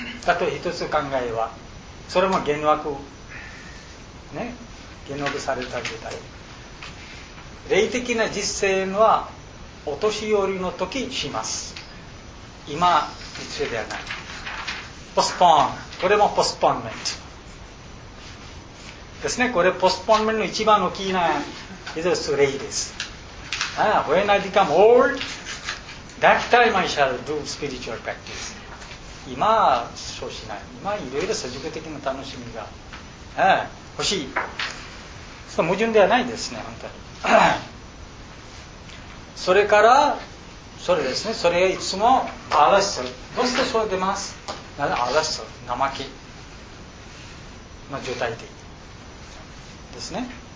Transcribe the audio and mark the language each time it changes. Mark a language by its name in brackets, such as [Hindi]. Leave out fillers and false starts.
[Japanese] あと一つ考えは、それも幻惑、ね、幻惑された状態。霊的な実践はお年寄りの時します。今についてではない。ポスポーン、これもポスポーンメントですね。これポスポーンメントの一番大きいな、それです。 [English] When I become old, that time I shall do spiritual practice. [Japanese] 今そうしない。今いろいろ世俗的な楽しみが欲しい。その矛盾ではないですね、本当に。それから、それですね、それがいつもアラッソ。どうしてそう出ます？なぜアラッソ、怠けの状態でですね。